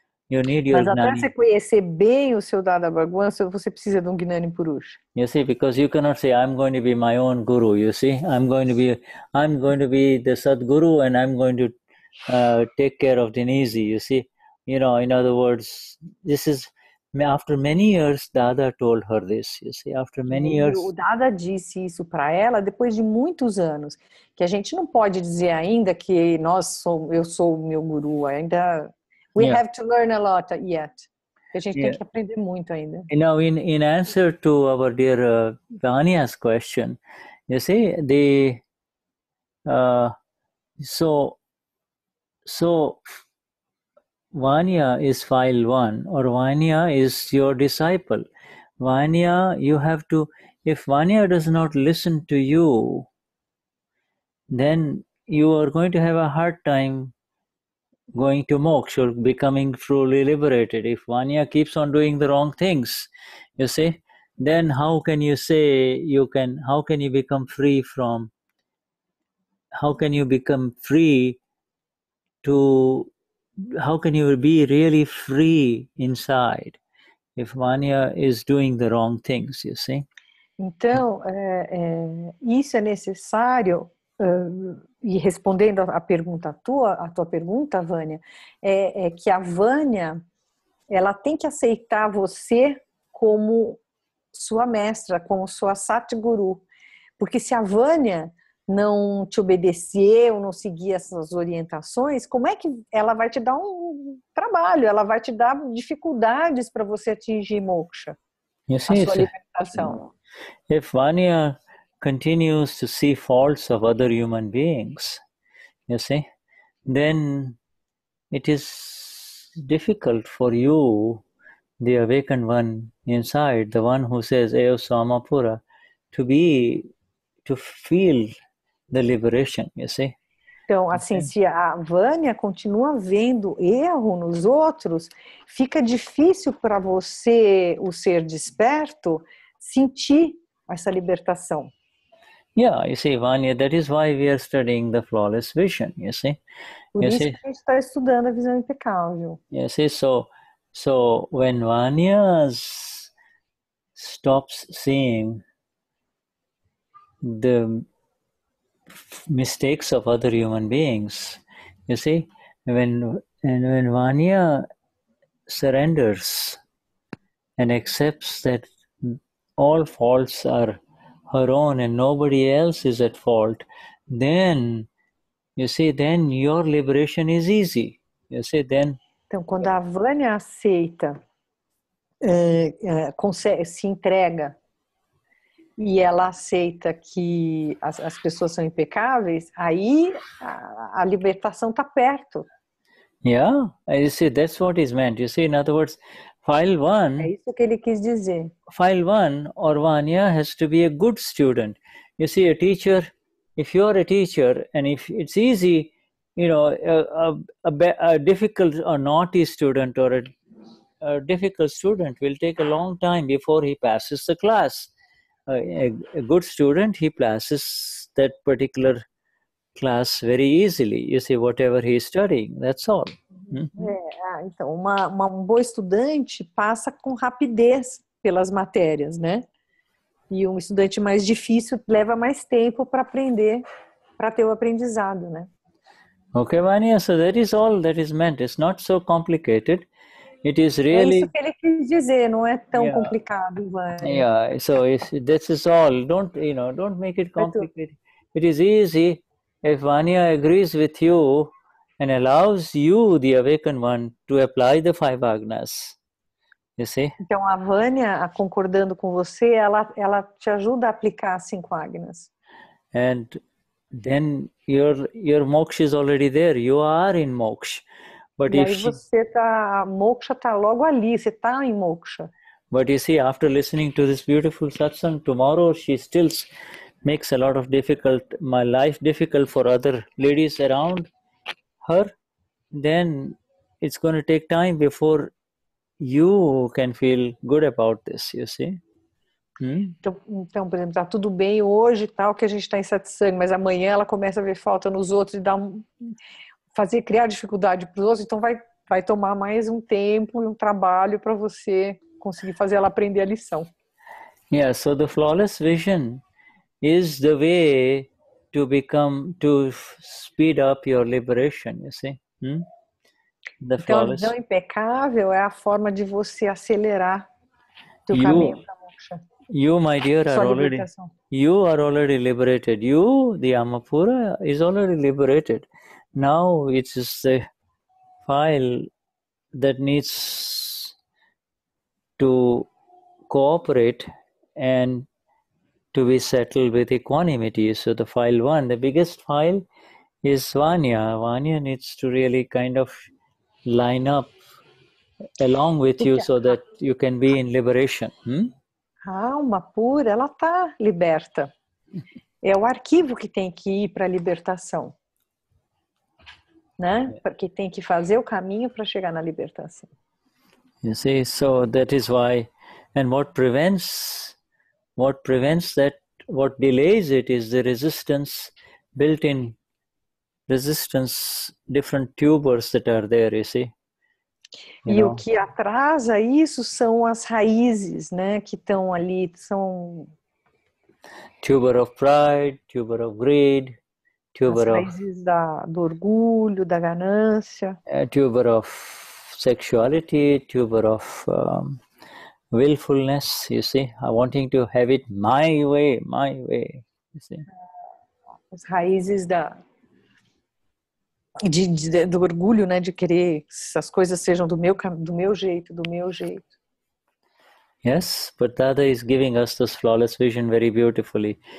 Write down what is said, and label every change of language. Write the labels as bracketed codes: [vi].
[en] You need your Gnani. [pt] Mas até você conhecer bem o seu Dada Bhagwan, você precisa de um Gnani Purush. [en] You see, because you cannot say, I'm going to be my own guru, you see? I'm going to be the Sadguru and I'm going to take care of Denise, you see. You know, in other words, this is after many years. Dada told her this, you see. After many years, [pt] o Dada disse isso para ela depois de muitos anos. Que a gente não pode dizer ainda que eu sou o meu guru ainda. [en] We have to learn a lot yet. Yeah. Now, in answer to our dear Vania's question, you see, so Vania is file one, or Vania is your disciple. Vania, you have to, if Vania does not listen to you, then you are going to have a hard time going to moksha or becoming truly liberated. If Vania keeps on doing the wrong things, you see, then how can you say you can, how can you become free from, how can you become free to, how can you be really free inside if Vania is doing the wrong things, you see? [pt] Então, isso é necessário, e respondendo a pergunta tua, a tua pergunta, Vânia, é que a Vânia, ela tem que aceitar você como sua mestra, como sua satguru. Porque se a Vânia não te obedecer ou não seguir essas orientações, como é que ela vai te dar um trabalho, ela vai te dar dificuldades para você atingir moksha, a sua libertação? [en] If Vania continues to see faults of other human beings, you see, then it is difficult for you, the awakened one inside, the one who says Eo Swamapura, to be, to feel the liberation, you see. [pt] Então, assim, se a Vania continua vendo erro nos outros, fica difícil para você, o ser desperto, sentir essa libertação. [en] Yeah, you see, Vania, that is why we are studying the flawless vision, you see. [pt] Por isso que a gente está estudando a visão impecável. [en] You see, so when Vania stops seeing the mistakes of other human beings, you see, when Vania surrenders and accepts that all faults are her own and nobody else is at fault, then, you see, then your liberation is easy. You see, then... [pt] Então, quando a Vânia aceita, se entrega, e ela aceita que as pessoas são impecáveis, aí a libertação está perto. [en] Yeah, you see, that's what is meant. You see, in other words, file one. [pt] É isso que ele quis dizer. [en] File one or Vania has to be a good student. You see, a teacher, if you are a teacher and if it's easy, you know, a difficult or naughty student or a difficult student will take a long time before he passes the class. A good student, he passes that particular class very easily, you see, whatever he is studying, that's all. [pt] Então, um bom estudante passa com rapidez pelas matérias, né? E um estudante mais difícil leva mais tempo para aprender, para ter o aprendizado, né? [en] Okay, Vania, so that is all that is meant. It's not so complicated. It is really... [pt] É isso que ele quis dizer, não é tão complicado, Vania. [en] Yeah, so this is all. Don't, you know, don't make it complicated. It is easy. If Vania agrees with you and allows you, the awakened one, to apply the five agnas, you see? [pt] Então, a Vania, concordando com você, ela te ajuda a aplicar as cinco agnas. [en] And then your moksha is already there. You are in moksha. But [pt] e [en] if [pt] aí você tá, a moksha está logo ali, você está em moksha. [en] But you see, after listening to this beautiful satsang, tomorrow she still makes a lot of difficult, my life difficult for other ladies around her, then it's going to take time before you can feel good about this, you see? [pt] Então, por exemplo, tá tudo bem hoje e tal, que a gente tá em satsang, mas amanhã ela começa a ver falta nos outros e criar dificuldade para os outros, então vai tomar mais um tempo e um trabalho para você conseguir fazer ela aprender a lição. [en] Yeah, so the flawless vision is the way to become, to speed up your liberation, you see? The flawless. [pt] Então, a visão impecável é a forma de você acelerar teu caminho para moksha. [en] You, my dear, are already liberated. You, the Amapura, is already liberated. Now, it's just a file that needs to cooperate and to be settled with equanimity. So the file one, the biggest file is Vanya. Vanya needs to really kind of line up along with you so that you can be in liberation. [pt] Alma pura, ela está liberta. É o arquivo que tem que ir para a libertação. Né? Porque tem que fazer o caminho para chegar na libertação. [en] You see, so that is why, and what prevents that, what delays it is the resistance, built-in resistance, different tubers that are there, you see. [pt] E o que atrasa isso são as raízes, né, que estão ali, são... [en] Tuber of pride, tuber of greed, tuber of... [pt] As raízes do orgulho, da ganância. [en] Tuber of sexuality, tuber of willfulness, you see. I wanting to have it my way, you see. [pt] As raízes da... do orgulho, né, de querer que as coisas sejam do meu jeito. [en] Yes, but Dada is giving us this flawless vision very beautifully.